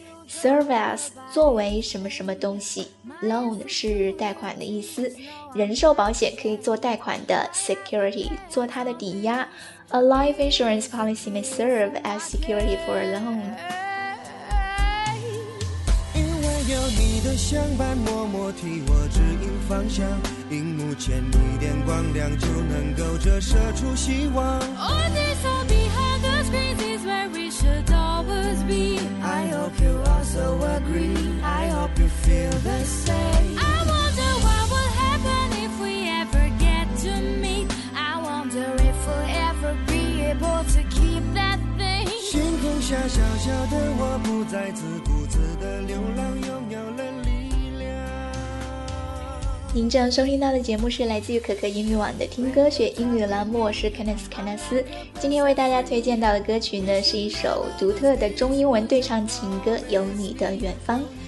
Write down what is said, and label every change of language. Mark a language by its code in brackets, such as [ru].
[zh] Service 作为什么什么东西， Loan 是贷款的意思，人寿保险可以做贷款的 Security 做它的抵押， [en] A life insurance policy may serve as security for a loan。 [zh] 因为有你的相伴，默默替我指引方向，荧幕前一点光亮就能够折射出希望。 [en] All this all behind the screen is where we should always be。 I hope you also agree。 I hope you feel the same。 I wonder what will happen if we ever get to meet。 I wonder if we'll ever be able to keep that thing。 [zh] 星空下小小的我，不再自顾自的流浪，拥有了力。您正收听到的节目是来自于可可英语网的听歌学英语栏目，我是 Kenneth 凯纳斯。今天为大家推荐到的歌曲呢，是一首独特的中英文对唱情歌，有你的远方。